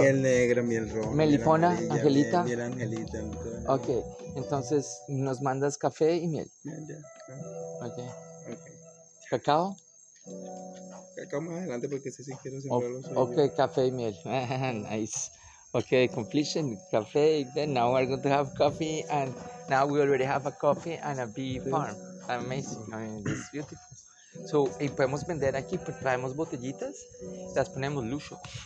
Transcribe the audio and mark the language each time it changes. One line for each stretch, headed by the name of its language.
Spanish: miel negra, miel roja. Melipona, angelita. Miel angelita. Okay, entonces nos mandas café y miel. Okay. ¿Cacao? Cacao más adelante porque si sí quiero sembrar los. Okay, café y miel.
English: Nice. Okay, completion.
Spanish: Café.
English: Then now we're going to have coffee, and now we already have a coffee and a bee farm. Amazing. I mean, it's beautiful.
Spanish: So, y podemos vender aquí, traemos botellitas, las ponemos lujo.